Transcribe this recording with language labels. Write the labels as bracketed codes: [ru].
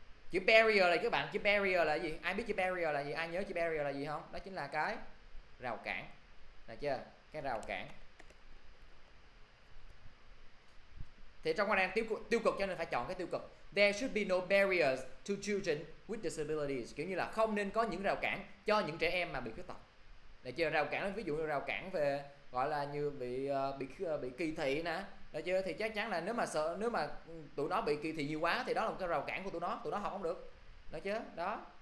[vi] Chữ barrier là các bạn, chữ barrier là gì? Ai biết chữ barrier là gì? Ai nhớ chữ barrier là gì không? Đó chính là cái rào cản. Được chưa? Cái rào cản. Thì trong cái này tiêu cực cho nên phải chọn cái tiêu cực. [en] There should be no barriers to children with disabilities. [vi] Kiểu như là không nên có những rào cản cho những trẻ em mà bị khuyết tật. Được chưa? Rào cản ví dụ như rào cản về gọi là như bị kỳ thị nè. Được chưa? Thì chắc chắn là nếu mà sợ, nếu mà tụi nó bị kỳ thị nhiều quá thì đó là một cái rào cản của tụi nó học không được. Được chưa? Đó.